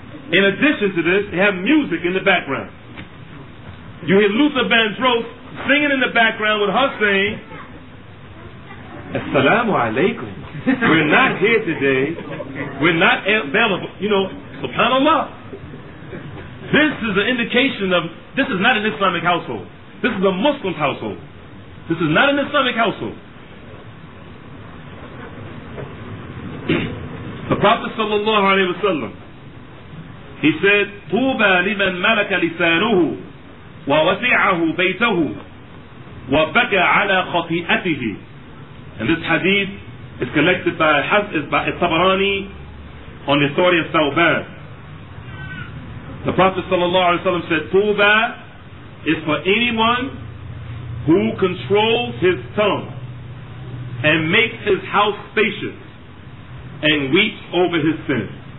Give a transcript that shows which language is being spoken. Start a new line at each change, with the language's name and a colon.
English: In addition to this, they have music in the background. You hear Luther Vandross singing in the background with her saying, "Assalamu alaikum. We're not here today. We're not available." You know, subhanAllah. This is an indication of, this is not an Islamic household. This is a Muslim household. This is not an Islamic household. The Prophet sallallahu alayhi wa sallam, he said,
Arabic: "طُوبَى لِمَنْ مَلَكَ لِسَانُهُ وَوَسِعَهُ بَيْتَهُ وَبَكَى عَلَى خَطِيئَتِهِ."
English: And this hadith is collected by Tabarani on the authority of Thawban. The Prophet sallallahu alayhi wa sallam said, "طُوبَى is for anyone who controls his tongue and makes his house spacious and weeps over his sin."